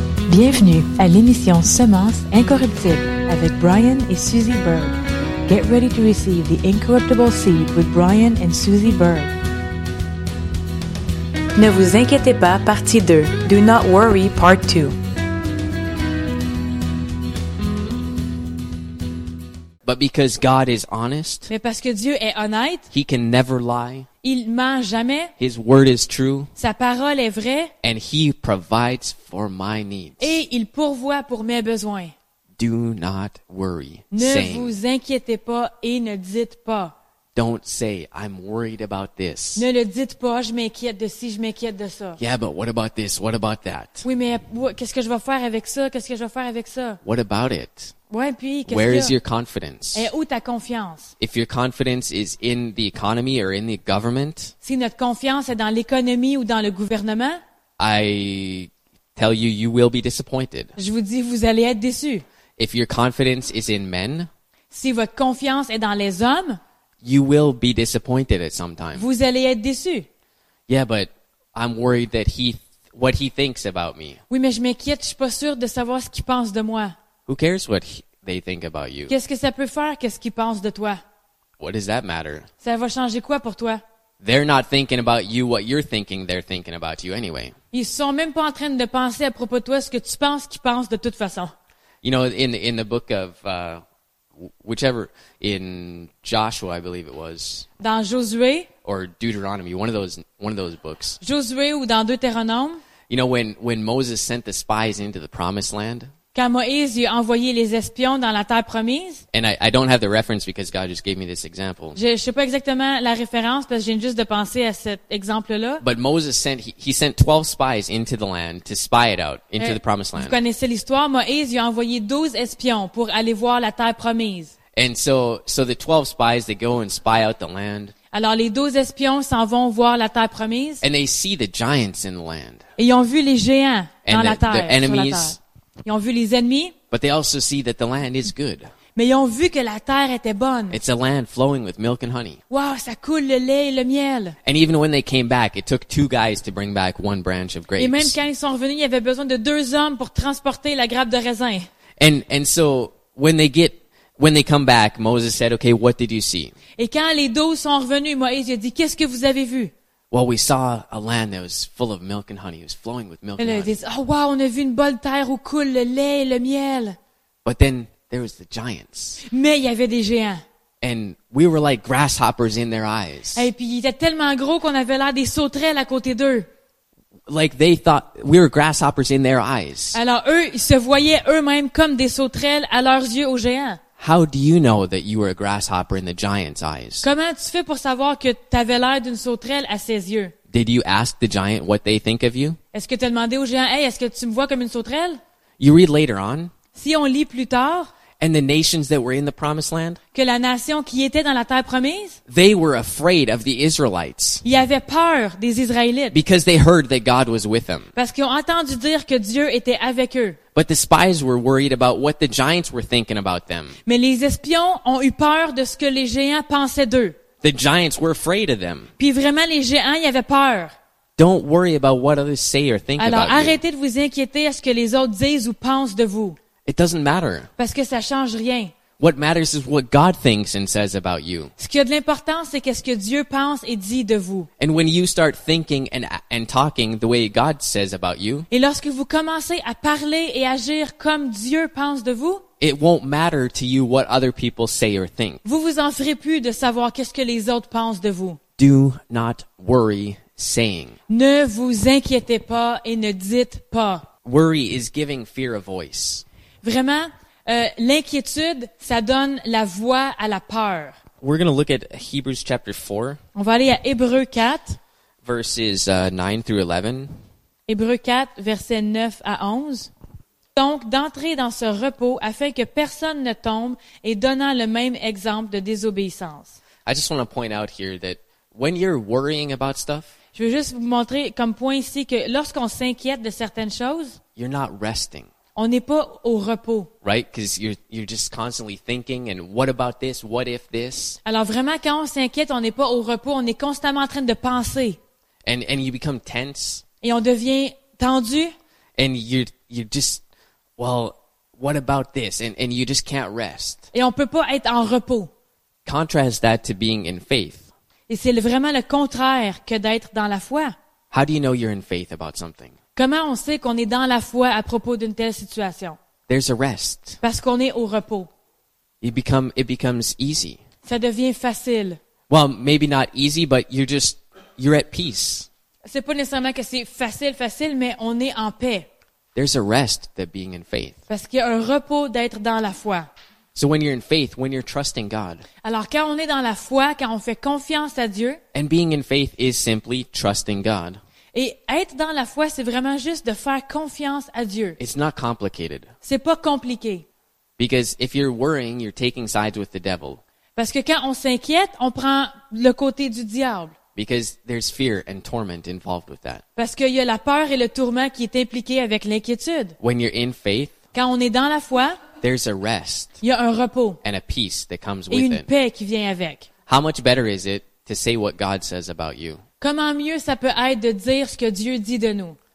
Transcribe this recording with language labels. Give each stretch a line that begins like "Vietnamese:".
French: Bienvenue à l'émission Semence incorruptible avec Brian et Suzy Berg.
English: Get ready to receive the incorruptible seed with Brian and Suzy Berg.
French: Ne vous inquiétez pas, partie 2.
English: Do not worry, part 2. But because God is honest,
French: mais parce que Dieu est honnête,
English: He can never lie.
French: Il ment jamais.
English: His word is true.
French: Sa parole est vraie.
English: And He provides for my needs.
French: Et il pourvoit pour mes besoins.
English: Do not worry.
French: Ne vous inquiétez pas et ne dites pas.
English: Don't say I'm worried about this.
French: Ne le dites pas, je m'inquiète de ci, je m'inquiète de ça.
English: Yeah, but what about this? What about that?
French: Oui, mais qu'est-ce que je vais faire avec ça? Qu'est-ce que je vais faire avec ça?
English: What about it?
French: Ouais, puis qu'est-ce
English: Where is your confidence?
French: Et où ta confiance?
English: If your confidence is in the economy or in the government?
French: Si notre confiance est dans l'économie ou dans le gouvernement?
English: I tell you, you will be disappointed.
French: Je vous dis, vous allez être déçu.
English: If your confidence is in men?
French: Si votre confiance est dans les hommes?
English: You will be disappointed at some time.
French: Vous allez être déçu.
English: Yeah, but I'm worried that what he thinks about me.
French: Oui, mais je m'inquiète, je suis pas sûre de savoir ce qu'il pense de moi.
English: Who cares what they think about you?
French: Qu'est-ce que ça peut faire qu'est-ce qu'ils pensent de toi?
English: What does that matter?
French: Ça va changer quoi pour toi?
English: They're not thinking about you what you're thinking they're thinking about you anyway.
French: Ils sont même pas en train de penser à propos de toi ce que tu penses qu'ils pensent de toute façon.
English: You know, in the book of in Joshua, I believe it was.
French: Dans Josué.
English: Or Deuteronomy, one of those books.
French: Josué ou dans Deutéronome.
English: You know, when Moses sent the spies into the promised land.
French: Quand Moïse a envoyé les espions dans la terre promise.
English: And I don't have the reference because God just gave me this example.
French: Je sais pas exactement la référence parce que j'ai juste de penser à cet exemple-là.
English: But Moses sent, he sent 12 spies into the land to spy it out, into the promised land.
French: Vous connaissez l'histoire, Moïse a envoyé 12 espions pour aller voir la terre promise.
English: And so the 12 spies, they go and spy out the land.
French: Alors les 12 espions s'en vont voir la terre promise.
English: And they see the giants in the land.
French: Et ils ont vu les géants dans
English: and
French: la terre,
English: their enemies,
French: sur la terre. Ils ont vu les ennemis.
English: But they also see that the land is good.
French: Mais ils ont vu que la terre était bonne.
English: It's a land flowing with milk and honey.
French: Wow, ça coule le lait et le miel.
English: And even when they came back, it took two guys to bring back one branch of grapes.
French: Et même quand ils sont revenus, il y avait besoin de deux hommes pour transporter la grappe de raisin.
English: And so when they come back, Moses said, okay, what did you see?
French: Et quand les douze sont revenus, Moïse a dit, qu'est-ce que vous avez vu?
English: Well, we saw a land that was full of milk and honey. It was flowing with milk and honey.
French: Ils disent, oh wow, on a vu une bonne terre où coule le lait et le miel.
English: But then there was the giants.
French: Mais il y avait des géants.
English: And we were like grasshoppers in their eyes.
French: Et puis ils étaient tellement gros qu'on avait l'air des sauterelles à côté d'eux.
English: Like they thought we were grasshoppers in their eyes.
French: Alors eux, ils se voyaient eux-mêmes comme des sauterelles à leurs yeux aux géants.
English: How do you know that you were a grasshopper in the giant's eyes?
French: Comment tu fais pour savoir que t'avais l'air d'une sauterelle à ses yeux?
English: Did you ask the giant what they think of you?
French: Est-ce que t'as demandé au géant, hey, est-ce que tu me vois comme une sauterelle?
English: You read later on.
French: Si on lit plus tard.
English: And the nations that were in the promised land.
French: Que la nation qui était dans la terre promise.
English: They were afraid of the Israelites.
French: Ils avaient peur des Israélites.
English: Because they heard that God was with them.
French: Parce qu'ils ont entendu dire que Dieu était avec eux.
English: But the spies were worried about what the giants were thinking about them.
French: Mais les espions ont eu peur de ce que les géants pensaient d'eux.
English: The giants were afraid of them.
French: Puis vraiment les géants y avaient peur.
English: Don't worry about what others say or think
French: Alors,
English: about
French: you. Alors arrêtez
English: you.
French: De vous inquiéter à ce que les autres disent ou pensent de vous.
English: It doesn't matter.
French: Parce que ça change rien.
English: What matters is what God thinks and says about you.
French: Ce qui a de l'importance, c'est qu'est-ce que Dieu pense et dit de vous.
English: And when you start thinking and talking the way God says about you.
French: Et lorsque vous commencez à parler et agir comme Dieu pense de vous.
English: It won't matter to you what other people say or think.
French: Vous vous en ferez plus de savoir qu'est-ce que les autres pensent de vous.
English: Do not worry saying.
French: Ne vous inquiétez pas et ne dites pas.
English: Worry is giving fear a voice.
French: Vraiment, l'inquiétude, ça donne la voix à la peur.
English: We're going to look at Hebrews chapter 4.
French: On va aller à Hébreux 4.
English: Verses 9 through 11.
French: Hébreux 4, versets 9 à 11. Donc, d'entrer dans ce repos afin que personne ne tombe et donnant le même exemple de désobéissance.
English: I just want to point out here that when you're worrying about stuff,
French: je veux juste vous montrer comme point ici que lorsqu'on s'inquiète de certaines choses,
English: you're not resting.
French: On n'est pas au repos.
English: Right, because you're just constantly thinking and what about this? What if this?
French: Alors vraiment quand on s'inquiète, on n'est pas au repos, on est constamment en train de penser.
English: And you become tense.
French: Et on devient tendu.
English: And you're just well, what about this? And you just can't rest.
French: Et on peut pas être en repos.
English: Contrast that to being in faith.
French: Et c'est vraiment le contraire que d'être dans la foi.
English: How do you know you're in faith about something?
French: Comment on sait qu'on est dans la foi à propos d'une telle situation?
English: There's a rest.
French: Parce qu'on est au repos.
English: It becomes easy.
French: Ça devient facile.
English: Well, maybe not easy, but you're at peace.
French: C'est pas nécessairement que c'est facile, mais on est en paix.
English: There's a rest that being in faith.
French: Parce qu'il y a un repos d'être dans la foi.
English: So when you're in faith, when you're trusting God.
French: Alors quand on est dans la foi, quand on fait confiance à Dieu.
English: And being in faith is simply trusting God.
French: Et être dans la foi, c'est vraiment juste de faire confiance à Dieu.
English: It's not complicated.
French: C'est pas compliqué.
English: Because if you're worrying, you're taking sides with the devil.
French: Parce que quand on s'inquiète, on prend le côté du diable.
English: Because there's fear and torment involved with that.
French: Parce qu'il y a la peur et le tourment qui est impliqué avec l'inquiétude.
English: When you're in faith,
French: quand on est dans la foi,
English: there's a rest.
French: Il y a un repos.
English: And a peace that comes
French: et
English: with
French: une paix qui vient avec.
English: How much better is it to say what God says about you?
French: Comment mieux ça peut être de dire ce que Dieu dit de nous?